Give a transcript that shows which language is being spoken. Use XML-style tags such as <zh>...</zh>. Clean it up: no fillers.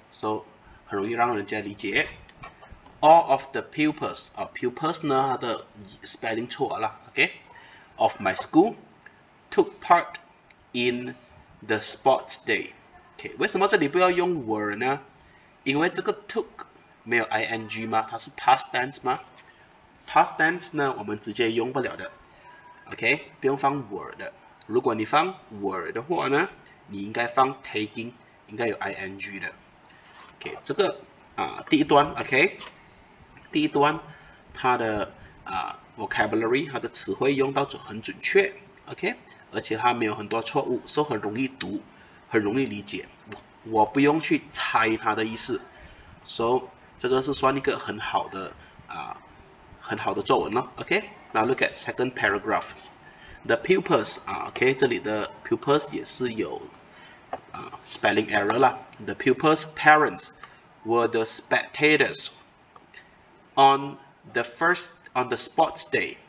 <zh>So 很容易让人家理解.</zh> <en>All of the pupils, pupils</en> <zh>呢，它的 spelling 错了,</zh> <en>okay? Of my school took part in the sports day.</en> <zh>Okay, 为什么这里不要用 were 呢?因为这个 took 没有 ing 吗? 它是 past tense 吗?Past tense 呢，我们直接用不了的. Okay, 不用放 were 的.如果你放 were 的话呢, 你应该放 taking, 应该有 ing 的. Okay, 这个 第一段, okay? 第一段, 它的 vocabulary, 它的词汇用到很准确, okay? 而且它没有很多错误, so 很容易读, 很容易理解, 我不用去猜它的意思, so 这个是算一个很好的, 很好的作文咯, okay?</zh> <en>Now look at second paragraph, the pupils, okay?</en> <zh>这里的 pupils 也是有 spelling error 啦,</zh> <en>the pupils' parents were the spectators on the first on the sports day.</en>